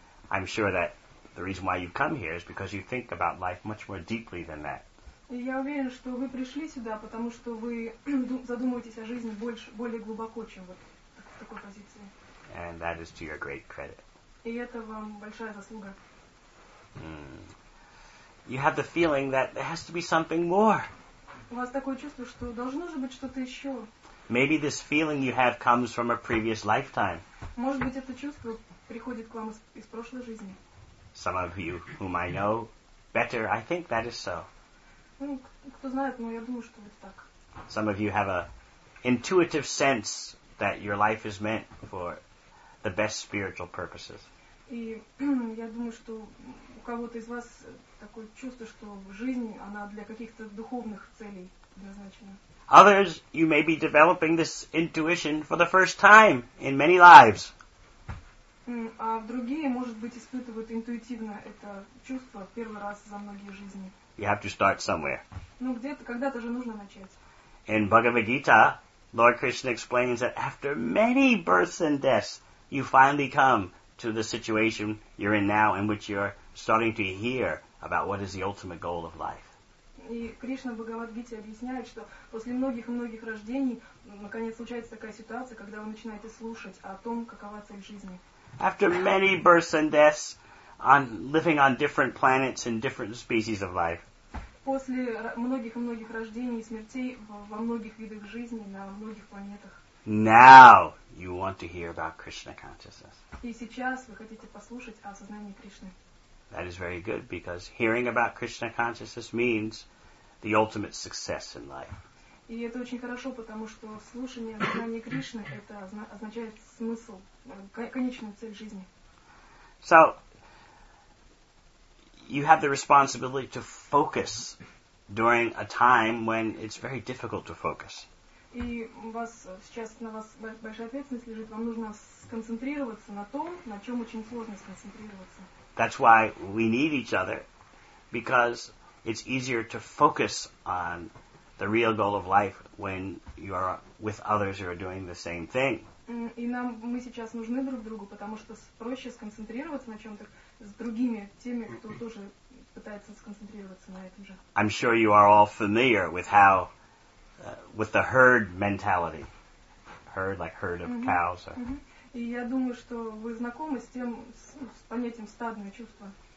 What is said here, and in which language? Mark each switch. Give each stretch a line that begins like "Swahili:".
English: I'm sure that the reason why you come here is because you think about life much more deeply than that.
Russian: Я уверен, что вы пришли сюда, потому что вы задумываетесь о жизни более глубоко, чем вот в такой позиции.
English: And that is to your great credit.
Russian: И это вам большая заслуга.
English: You have the feeling that there has to be something more.
Russian: У вас такое чувство, что должно же быть что-то еще.
English: Maybe this feeling you have comes from a previous lifetime.
Russian: Может быть, это чувство приходит к вам из прошлой жизни.
English: Some of you whom I know better, I think that is so.
Russian: Кто знает, но я думаю, что это так.
English: Some of you have an intuitive sense that your life is meant for the best spiritual purposes.
Russian: И я думаю, что у кого-то из вас такое чувство, что жизнь, она для каких-то духовных целей предназначена.
English: Others, you may be developing this intuition for the first time in many lives.
Russian: А в другие, может быть, испытывают интуитивно это чувство в первый раз за многие жизни.
English: You have to start somewhere.
Russian: Ну, где-то, когда-то же нужно начать.
English: In Bhagavad Gita, Lord Krishna explains that after many births and deaths, you finally come to the situation you're in now, in which you're starting to hear about what is the ultimate goal of life.
Russian: И Кришна в Бхагавад-гите объясняет, что после многих-многих рождений наконец случается такая ситуация, когда вы начинаете слушать о том, какова цель жизни.
English: After many births and deaths, on living on different planets and different species of life.
Russian: После многих-многих рождений и смертей во многих видах жизни на многих планетах.
English: Now you want to hear about Krishna consciousness.
Russian: И сейчас вы хотите послушать о сознании Кришны.
English: That is very good, because hearing about Krishna consciousness means the ultimate success in life.
Russian: И это очень хорошо, потому что слушание о сознании Кришны это означает смысл, конечную цель жизни.
English: So you have the responsibility to focus during a time when it's very difficult to focus.
Russian: И у вас сейчас на вас большая ответственность лежит. Вам нужно сконцентрироваться на том, на чем очень сложно сконцентрироваться.
English: That's why we need each other, because it's easier to focus on the real goal of life when you are with others who are doing the same thing.
Russian: И нам мы сейчас нужны друг другу, потому что проще сконцентрироваться на чем-то с другими теми, кто тоже пытается сконцентрироваться на этом же.
English: I'm sure you are all familiar with how with the herd mentality. Herd, like herd of cows. Or...
Russian: И я думаю, что вы знакомы с тем, с понятием стадное чувство.